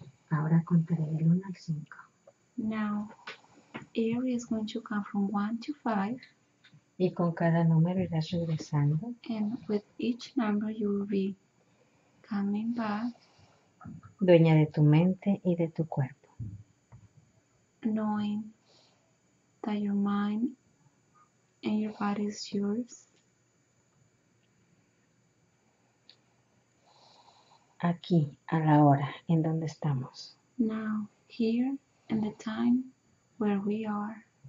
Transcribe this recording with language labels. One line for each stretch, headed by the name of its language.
Spanish: Ahora contaré del 1 al 5.
English: Now, Ery is going to come from 1 to 5.
Spanish: Y con cada número irás regresando.
English: And with each number you will be coming back.
Spanish: Dueña de tu mente y de tu cuerpo.
English: Knowing that your mind and your body is yours.
Spanish: Aquí, a la hora, en donde estamos.
English: Now, here, in the time where we are.